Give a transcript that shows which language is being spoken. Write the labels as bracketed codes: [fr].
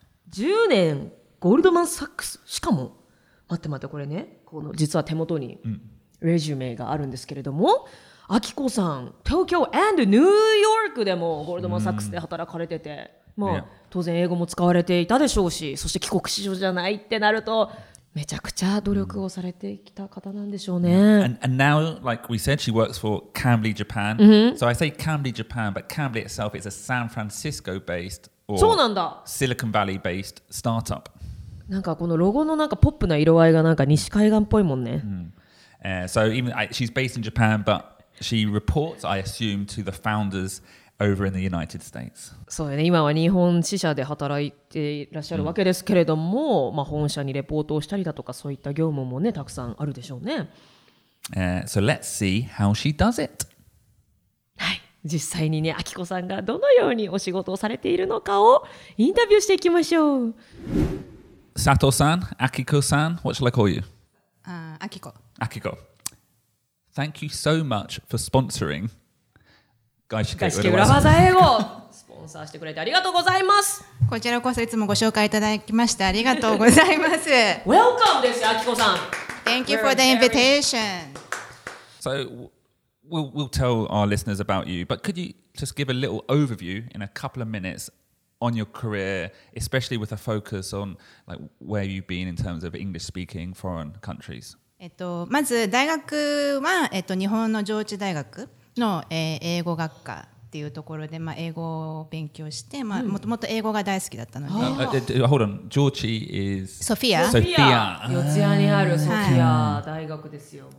[ja] 10年 Goldman Sachs しかも待って待って、これね、この実は手元にレジュメがあるんですけれども、アキコさん、東京 and ニューヨークでもゴールドマンサックスで働かれてて、まあ、当然英語も使われていたでしょうし、そして帰国子女じゃないってなると、めちゃくちゃ努力をされてきた方なんでしょうね。 [en] And now, like we said, she works for Cambly Japan. So I say Cambly Japan, but Cambly itself is a San Francisco based or [ja] そうなんだ [en] Silicon Valley based startup. [ja] なんかこのロゴのなんかポップな色合いがなんか西海岸っぽいもんね。 [en] So even she's based in Japan, but she reports, I assume, to the founders over in the United States. [ja] そうよね。今は日本支社で働いていらっしゃるわけですけれども、まあ本社にレポートをしたりだとかそういった業務もねたくさんあるでしょうね。 [en] So let's see how she does it. [ja] はい。実際にね、アキコさんがどのようにお仕事をされているのかをインタビューしていきましょう。 [en] Sato-san, Akiko-san, what shall I call you? Akiko. Akiko. Thank you so much for sponsoring Gaishike [ja] Urawaza Eigo. Sponsor してくれてありがとうございます。こちらこそいつもご紹介いただきましてありがとうございます。 [en] Welcome です、Akiko-san. Thank you for the invitation. So, we'll tell our listeners about you, but could you just give a little overview in a couple of minutes? On your career, especially with a focus on like where you've been in terms of English speaking foreign countries? [ja] まず大学は、日本の上智大学の、英語学科っていうところで、まあ、英語を勉強して、まあ、もともと英語が大好きだったので。 [en] Hold on, 上智 is Sophia. Sophia. [ja] 四ツ谷にある Sophia 大学ですよ。